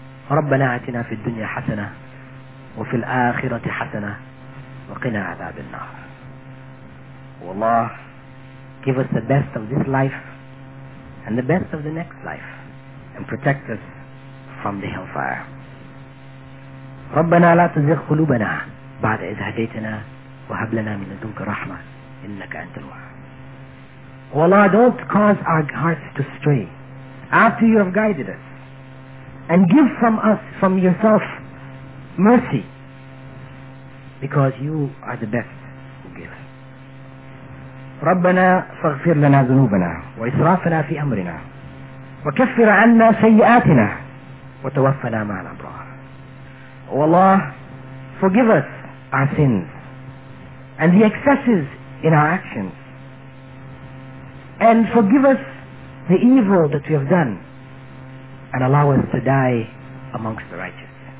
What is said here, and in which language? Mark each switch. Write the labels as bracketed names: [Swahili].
[Arabic] ربنا آتنا في الدنيا حسنة وفي الآخرة حسنة وقنا عذاب النار. [English] Allah, give us the best of this life and the best of the next life, and protect us from the hellfire. [Arabic] ربنا لا تزغ قلوبنا بعد إذ هديتنا وهب لنا من لدنك رحمة إنك أنت الوهاب. [English] Allah, don't cause our hearts to stray after you have guided us, and give from us, from yourself, mercy, because you are the best who gives. [Arabic] ربنا فاغفر لنا ذنوبنا وإسرافنا في أمرنا وكفر عنا سيئاتنا وتوفنا مع الأبرار. [English] Allah, forgive us our sins and the excesses in our actions, and forgive us the evil that we have done, and allow us to die amongst the righteous.